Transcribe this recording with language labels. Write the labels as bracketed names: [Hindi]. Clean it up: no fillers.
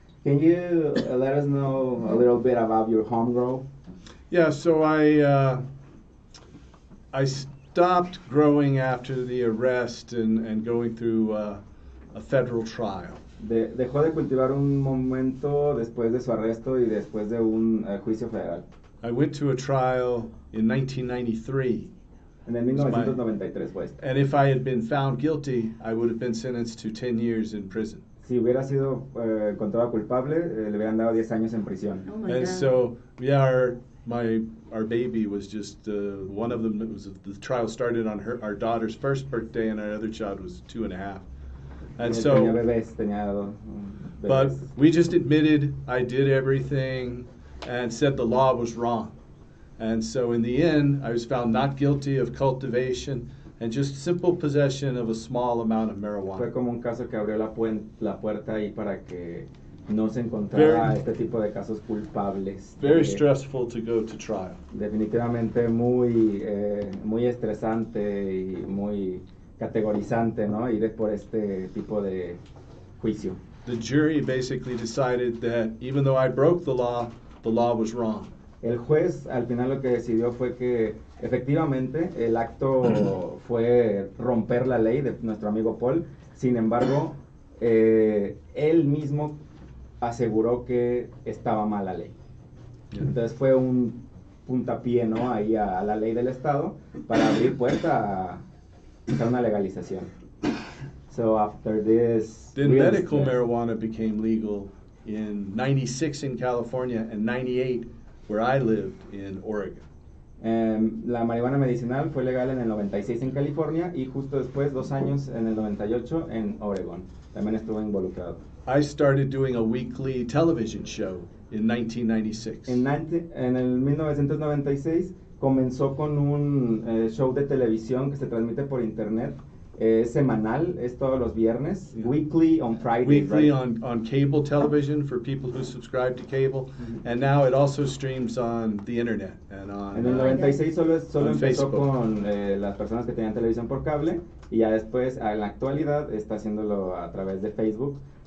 [English] Can you let us know a little bit about your home grow? Yeah, so I stopped growing after the arrest and going through a federal trial. [Spanish] Dejó de cultivar un momento después de su arresto y después de un juicio federal. [English] I went to a trial in 1993. [Spanish] En el 1993 fue este. [English] And if I had been found guilty, I would have been sentenced to 10 years in prison. [Spanish] Si hubiera sido encontrado culpable, le hubieran dado 10 años en prisión. [English] Oh my and God. So we are... Our baby was just one of them. The trial started on our daughter's first birthday, and our other child was 2.5. And so, but we just admitted I did everything and said the law was wrong. And so in the end, I was found not guilty of cultivation and just simple possession of a small amount of marijuana. [Spanish] Fue como un caso que abrió la puerta ahí para que no se encontrará este tipo de casos culpables. [English] Very stressful to go to trial. [Spanish] Definitivamente muy, muy estresante y muy categorizante, ¿no? Ir por este tipo de juicio. [English] The jury basically decided that even though I broke the law was wrong. [Spanish] El juez al final lo que decidió fue que Efectivamente, el acto fue romper la ley de nuestro amigo Paul. Sin embargo, él mismo aseguró que estaba mal la ley. Entonces fue un puntapié, ¿no?, ahí a la ley del estado para abrir puerta a una legalización. [English] So after this, then medical marijuana became legal in 96 in California and 98 where I lived in Oregon. [Spanish] La marihuana medicinal fue legal en el 96 en California y justo después, dos años, en el 98 en Oregon. También estuve involucrado. [English] I started doing a weekly television show in 1996. [Spanish] En el 1996 comenzó con un show de televisión que se transmite por internet. Semanal, es todos los viernes. [English] Yeah. Weekly on Friday. Weekly, right? on cable television for people who subscribe to cable. Mm-hmm. And now it also streams on the internet and on. [Spanish] En el 96 solo empezó Facebook. Con las personas que tenían televisión por cable y ya después en la actualidad está haciéndolo a través de Facebook.